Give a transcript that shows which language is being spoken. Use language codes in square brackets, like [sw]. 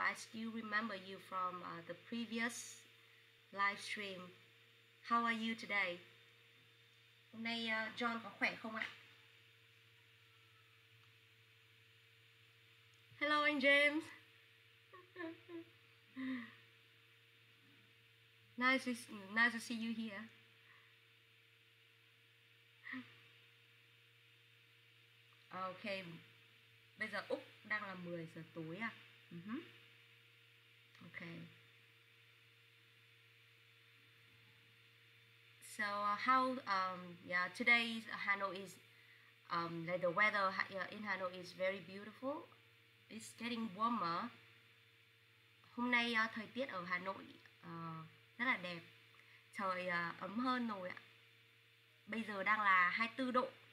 [en] I still remember you from the previous live stream. How are you today? [vi] Hôm nay John có khỏe không ạ? [en] Hello anh James. Nice to see you here. [vi] Okay. Bây giờ Úc đang là 10 giờ tối à? [en] Uh-huh. Okay. So how today Hanoi is like the weather in Hanoi is very beautiful. It's getting warmer. [vi] Hôm nay thời tiết ở Hà Nội rất là đẹp. Trời ấm hơn rồi ạ. Bây giờ đang là 24 độ.